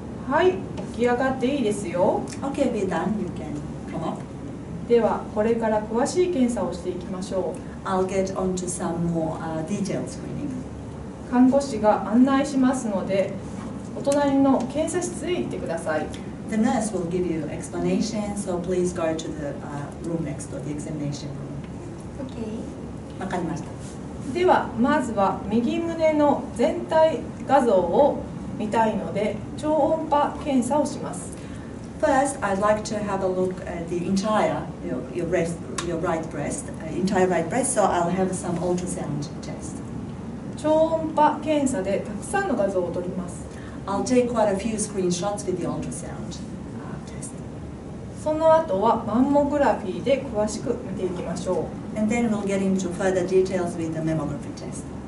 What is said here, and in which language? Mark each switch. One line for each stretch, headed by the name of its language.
Japanese: はい、起き上がっていいですよ。
English: Okay, be done. You can come up.
Japanese: では、これから詳しい検査をしていきましょう。
English: I'll get onto some more details for you.
Japanese: 看護師が案内しますので、お隣の検査室へ行ってください。
English: The nurse will give you explanation, so please go to the room next to the examination room. Okay.
Japanese: わかりました。では、まずは右胸の全体画像を見たいので、超音波検査をします。
English: First, I'd like to have a look at the entire your right breast, so I'll have some ultrasound test.
Japanese: 超音波検査でたくさんの画像を撮ります。
English: I'll take quite a few screenshots with the ultrasound test.
Japanese: その後はマンモグラフィーで詳しく見ていきましょう。
English: And then we'll get into further details with the mammography test.